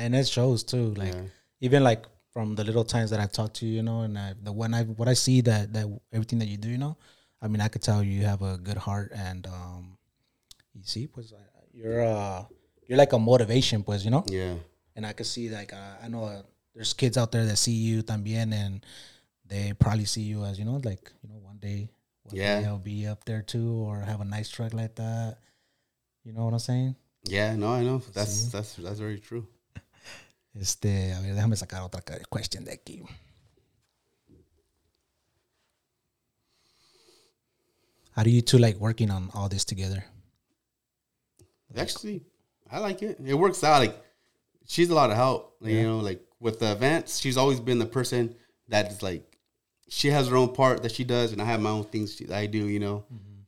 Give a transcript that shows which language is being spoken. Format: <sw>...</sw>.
<en>And it shows too, like even like. From the little times that I've talked to you, you know, and when I see that everything that you do, you know, I mean, I could tell you have a good heart, and you see, pues, you're like a motivation, pues, you know. Yeah. And I could see, like, I know there's kids out there that see you también, and they probably see you as, you know, like, you know, one day I'll be up there too, or have a nice truck like that. You know what I'm saying? Yeah. No, I know. That's very true.</en> <es>A ver, déjame sacar otra question de aquí.</es> <en>How do you two like working on all this together? Actually, I like it. It works out. Like, she's a lot of help. Like, you know, like, with the events, she's always been the person that is, like, she has her own part that she does, and I have my own things that I do, you know. Mm-hmm.</en>